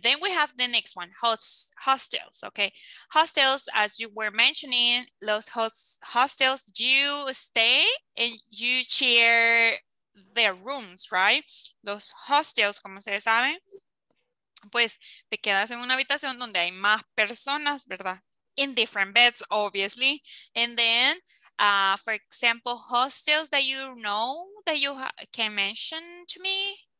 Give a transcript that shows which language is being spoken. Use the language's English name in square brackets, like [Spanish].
[English] Then we have the next one, hostels, okay. Hostels, as you were mentioning, los hostels, you stay and you share their rooms, right? [Spanish] Los hostels, como ustedes saben, pues te quedas en una habitación donde hay más personas, ¿verdad? [English] In different beds, obviously. And then, for example, hostels that you know that you can mention to me.